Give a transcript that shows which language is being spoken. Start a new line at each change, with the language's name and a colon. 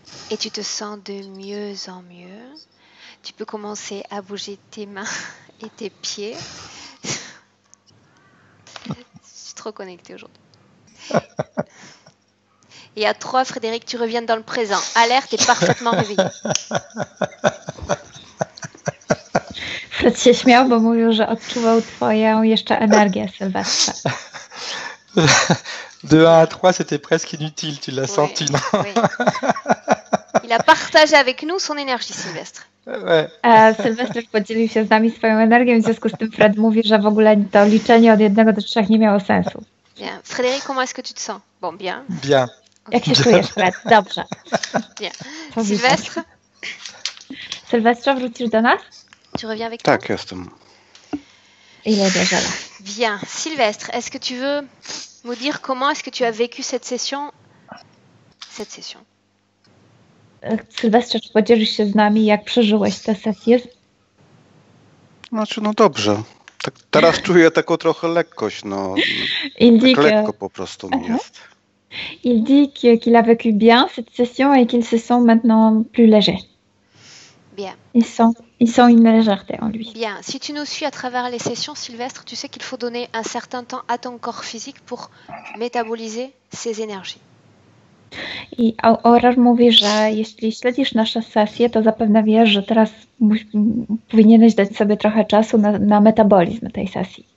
French: Et tu te sens de mieux en mieux. Tu peux commencer à bouger tes mains et tes pieds. Je suis trop connectée aujourd'hui. Et à 3, Frédéric, tu reviens dans le présent. Alerte et parfaitement réveillé.
Polish: Przed się śmiał, bo mówił, że odczuwał twoją jeszcze energię, Sylwestra.
French: 2, 1, 3, c'était presque inutile, tu l'as senti, non? Il a partagé avec nous son énergie, Sylwestre.
Polish: Sylwestre podzielił się z nami swoją energią, w związku z tym Fred mówi, że w ogóle to liczenie od 1 do 3 nie miało sensu.
French: Bien. Frédéric, comment est-ce que tu te sens? Bon, bien. Bien.
Polish: Jak się czujesz, Fred? Dobrze.
French: Bien. Sylwestre?
Polish: Sylwestre, wrócisz do nas?
French: Tu reviens avec
Polish: Tak, jestem.
French: Il est déjà là. Bien. Sylvestre, est-ce que tu veux nous dire comment est-ce que tu as vécu cette session? Cette session.
Polish: Sylvestre, czy podzielisz się z nami, jak przeżyłeś tę sesję? Znaczy, no dobrze. Tak, teraz czuję taką trochę lekkość, no. Tak lekko po prostu mi jest.
French: Il dit qu'il a vécu bien cette session et qu'il se sent maintenant plus léger. Bien. Ils sont une légèreté en lui. Bien. Si tu nous suis à travers les sessions, Sylvestre, tu sais qu'il faut donner un certain temps à ton corps physique pour métaboliser ses énergies.
Polish: I Aurore mówi, że jeśli śledzisz nasze sesje, to zapewne wiesz, że teraz powinieneś dać sobie trochę czasu na metabolizm tej sesji.